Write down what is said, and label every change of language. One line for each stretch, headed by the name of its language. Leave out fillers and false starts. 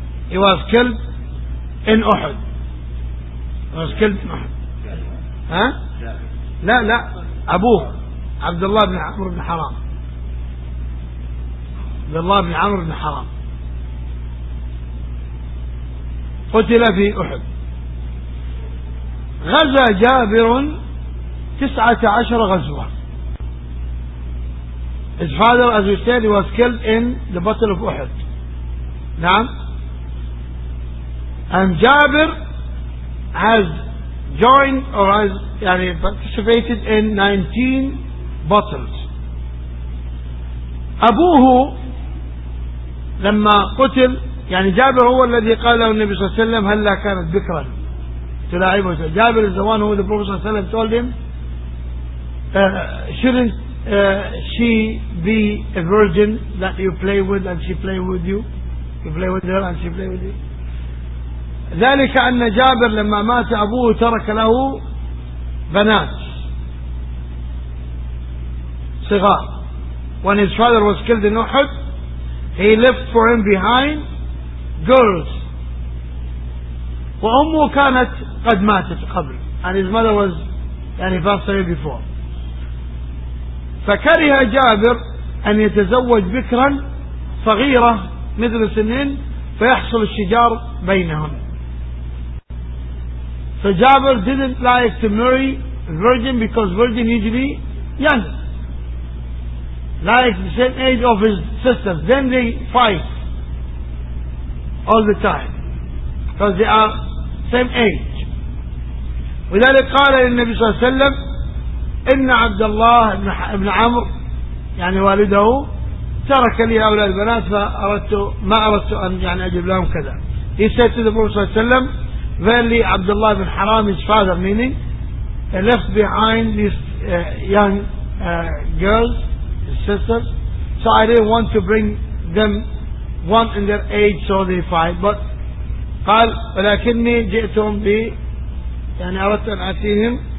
English: He was killed in أحد. Was killed in أحد.
Arabic: ها؟ لا لا أبوه عبد الله بن عمر بن حرام. عبد الله بن عمر بن حرام قتل في أحد. غزا جابر 19 غزوة.
English: His father as we said he was killed in the battle of أحد.
Arabic: نعم.
English: And Jabir has joined or has يعني participated in 19 battles.
Arabic: أبوه لما قتل يعني جابر هو الذي قال له النبي صلى الله عليه وسلم هل لا كانت بكرا تلاعبه.
English: جابر is the one who the Prophet
Arabic: صلى الله عليه وسلم
English: told him shouldn't she be a virgin that you play with and she play with you, you play with her and she play with you.
Arabic: ذلك أن جابر لما مات أبوه ترك له بنات صغار.
English: When his father was killed in Uhud, he left for him behind girls.
Arabic: وأمه كانت قد ماتت قبل.
English: And his mother was يعني passed away before.
Arabic: فكره جابر أن يتزوج بكرا صغيرة مثل سنين فيحصل الشجار بينهم.
English: So Jabir didn't like to marry virgin because virgin usually young, like the same age of his sisters. Then they fight all the time because they are same age.
Arabic: ولذلك قال النبي صلى الله عليه وسلم إن عبد الله بن عمرو يعني والده ترك لي هؤلاء البنات فأردت ما أردت أن يعني أجيب لهم كذا.
English: He said to the Prophet
Arabic: صلى الله عليه وسلم
English: verily Abdullah bin Haram his father, meaning left behind these young girls, his sisters, so I didn't want to bring them one in their age so they fight. But
Arabic: قال ولكني جئتهم بي يعني أردت أن أتيهم.